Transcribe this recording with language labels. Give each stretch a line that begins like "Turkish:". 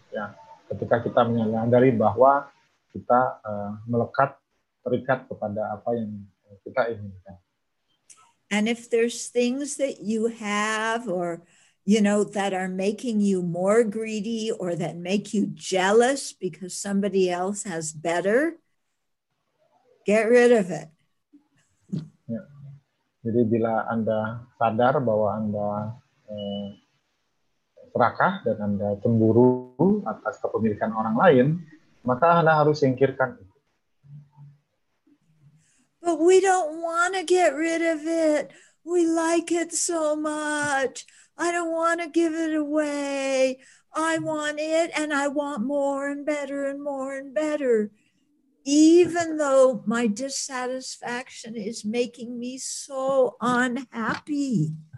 Indonesian: Ya, ketika kita menyadari bahwa kita melekat, terikat kepada apa yang kita inginkan.
English: And if there's things that you have or, you know, that are making you more greedy or that make you jealous because somebody else has better, get rid of it.
Indonesian: Jadi bila Anda sadar bahwa Anda serakah dan Anda cemburu atas kepemilikan orang lain, maka Anda harus singkirkan itu.
English: But we don't want to get rid of it. We like it so much. I don't want to give it away. I want it and I want more and better and more and better. Even though my dissatisfaction is making me so unhappy.